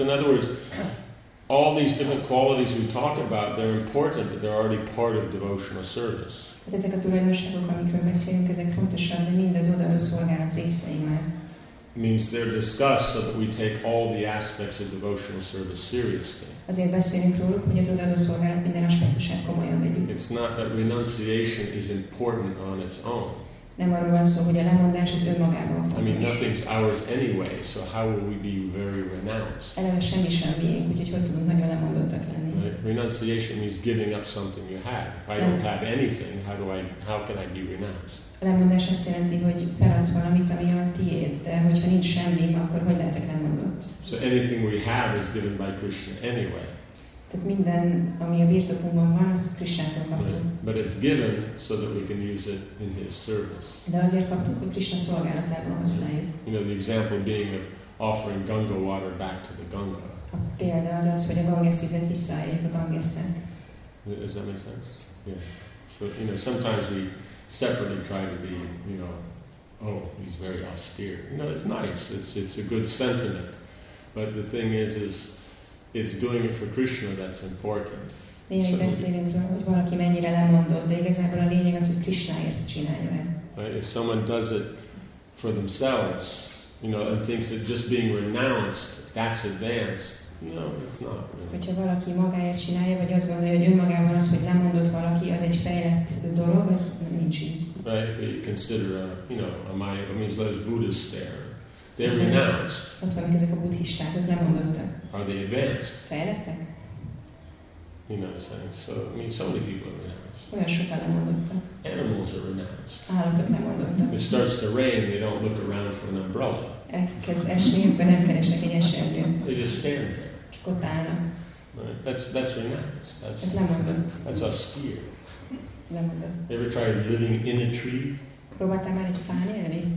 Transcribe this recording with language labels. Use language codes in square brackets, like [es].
[en] In other words, all these different qualities we talk about, they're important, but they're already part of devotional service. [hu] Ezek a tulajdonságok, amikről beszélünk, ezek fontosak, de mindez odaadó szolgálat részei már. [en] Means they're discussed so that we take all the aspects of devotional service seriously. [hu] Azért beszélünk róluk, hogy az odaadó szolgálat minden aspektusát komolyan vegyük. [en] It's not that renunciation is important on its own. [hu] Nem arról van szó, hogy a lemondás az önmagában fontos. [en] I mean, nothing's ours anyway, so how will we be very renounced? [hu] Eleve semmi sem miénk, úgyhogy hogy tudunk nagyon lemondottak lenni. [en] Renunciation means giving up something you have. If I don't have anything, how can I be renounced? [hu] Lemondás azt jelenti, hogy feladsz valamit, ami a tiéd, de hogyha nincs semmi, akkor hogy lehetek lemondott? [en] So anything we have is given by Krishna anyway. [hu] Tehát minden, ami a birtokunkban van, azt Krishnától kaptuk. [en] But it's given so that we can use it in His service. [hu] De azért kaptuk, hogy Krishna szolgálatában használjuk. [en] You know, the example being of offering Ganga water back to the Ganga. [hu] A példa az az, hogy a Ganges vizet visszaadjuk a Gangesnek. [en] Does that make sense? Yeah. So, you know, sometimes we separately try to be, you know, oh, he's very austere. You know, it's nice. It's a good sentiment. But the thing is doing it for Krishna that's important. [hu] Néhány beszélünk róla, hogy valaki mennyire lemondott, de igazából a lényeg az, hogy Krishnáért csinálja el. [en] Right? If someone does it for themselves, you know, and thinks that just being renounced, that's advanced, no, it's not. [hu] Hogyha valaki magáért csinálja, vagy azt gondolja, hogy önmagában az, hogy lemondott valaki, az egy fejlett dolog, az nincs így. [en] Right, if you consider, those Buddhists there, they're renounced. [hu] Ott vannak ezek a buddhisták, ők lemondottak. [en] Are they advanced? [hu] Fejlettek? [en] You know what I'm saying? So, I mean, so many people are renounced. [hu] Olyan sokan lemondottak. [en] Animals are renounced. [hu] Állatok lemondottak. [en] It starts to rain, they don't look around for an umbrella. [hu] Elkezd esni, akkor nem keresnek egy esernyőt. [en] They just stand there. [hu] Csak ott állnak. [en] That's renounced. That's, [hu] ez lemondott. [en] That's austere. [hu] Lemondott. [en] Ever tried living in a tree? [hu] Próbáltál már egy fán élni?